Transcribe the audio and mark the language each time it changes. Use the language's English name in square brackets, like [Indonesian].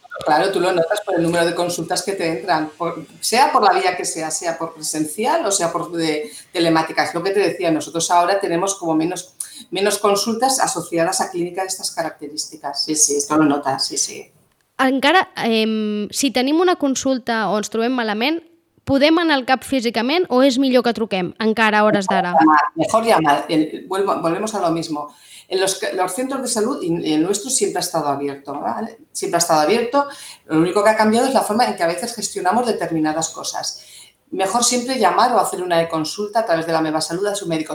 [Spanish] Claro, tú lo notas por el número de consultas que te entran, sea por la vía que sea, sea por presencial o sea por telemática. Es lo que te decía, nosotros ahora tenemos como menos consultas asociadas a clínica de estas características. Sí, sí, esto lo notas, sí, sí. [Catalan] Encara, si tenim una consulta o ens trobem malament, ¿podem anar al CAP físicament o és millor que truquem encara a hores d'ara? [Spanish] Mejor llamar, volvemos a lo mismo. En los centros de salud, y el nuestro siempre ha estado abierto, ¿vale? Siempre ha estado abierto. Lo único que ha cambiado es la forma en que a veces gestionamos determinadas cosas. Mejor siempre llamar o hacer una consulta a través de la Meva Salud a su médico.